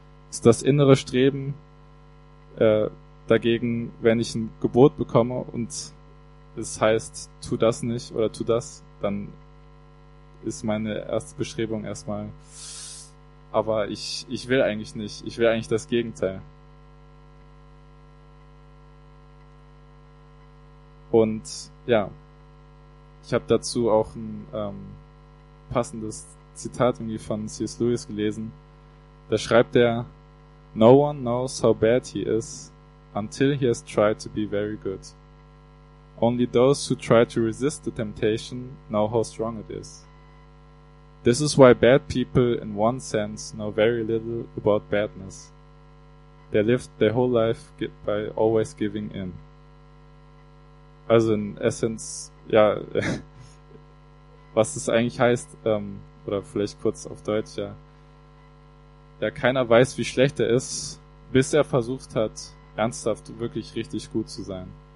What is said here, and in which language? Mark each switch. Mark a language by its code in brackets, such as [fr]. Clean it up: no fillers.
[de] Ist das innere Streben dagegen, wenn ich ein Gebot bekomme und es heißt, tu das nicht oder tu das, dann ist meine erste Bestrebung erstmal, aber ich will eigentlich nicht, ich will eigentlich das Gegenteil. Und ja, ich habe dazu auch ein passendes Zitat irgendwie von C.S. Lewis gelesen. Da schreibt er, [en] no one knows how bad he is until he has tried to be very good. Only those who try to resist the temptation know how strong it is. This is why bad people in one sense know very little about badness. They live their whole life by always giving in. [de] Also in Essence, ja, was das eigentlich heißt, oder vielleicht kurz auf Deutsch, ja. Ja, keiner weiß, wie schlecht er ist, bis er versucht hat, ernsthaft wirklich richtig gut zu sein.